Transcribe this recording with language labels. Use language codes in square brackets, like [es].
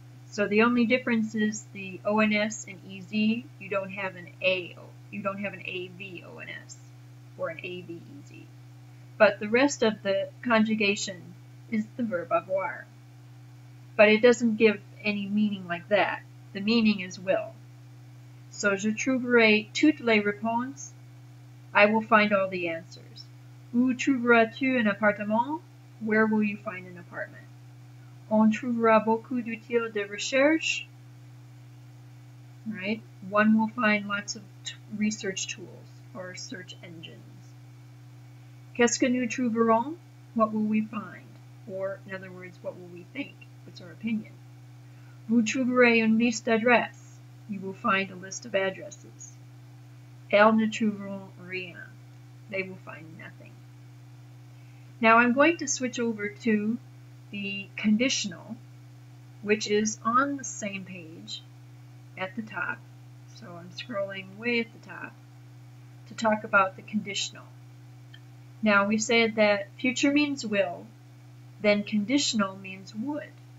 [en] So the only difference is the ONS and EZ, you don't have an A, you don't have an AVONS or an AVEZ. But the rest of the conjugation is the verb avoir. But it doesn't give any meaning like that. The meaning is will. [fr] So je trouverai toutes les réponses. [en] I will find all the answers. [fr] Où trouveras-tu un appartement? [en] Where will you find an apartment? [fr] On trouvera beaucoup d'outils de recherche, right? [en] One will find lots of research tools or search engines. [fr] Qu'est-ce que nous trouverons? [en] What will we find? Or, in other words, what will we think? What's our opinion? [fr] Vous trouverez une liste d'adresses. [en] You will find a list of addresses. [fr] Elles ne trouveront rien. [en] They will find nothing. Now I'm going to switch over to the conditional, which is on the same page at the top, so I'm scrolling way at the top, to talk about the conditional. Now, we said that future means will, then conditional means would.